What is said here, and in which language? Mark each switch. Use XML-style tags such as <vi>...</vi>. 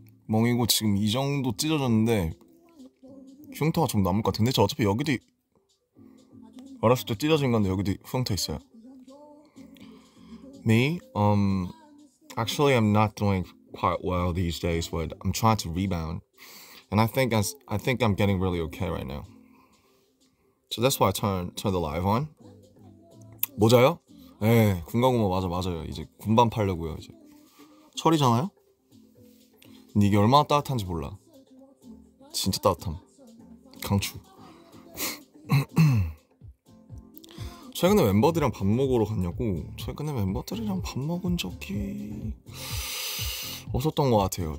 <ko>멍이고 지금 이 정도 찢어졌는데 흉터가 좀 남을 것 같은데 저 어차피 여기도 어렸을 때 찢어진 건데 여기도 흉터 있어요.</ko> <en>Me? Actually I'm not doing quite well these days, but I'm trying to rebound. And I think I'm getting really okay right now. So that's why I turn the live on.</en> <ko>모자요? 예, 군가구모 맞아 맞아요. 이제 군밤 팔려고요 이제. 철이잖아요? 근데 이게 얼마나 따뜻한지 몰라. 진짜 따뜻함. 강추. 최근에 멤버들이랑 밥 먹으러 갔냐고. 최근에 멤버들이랑 밥 먹은 적이 없었던 것 같아요.</ko>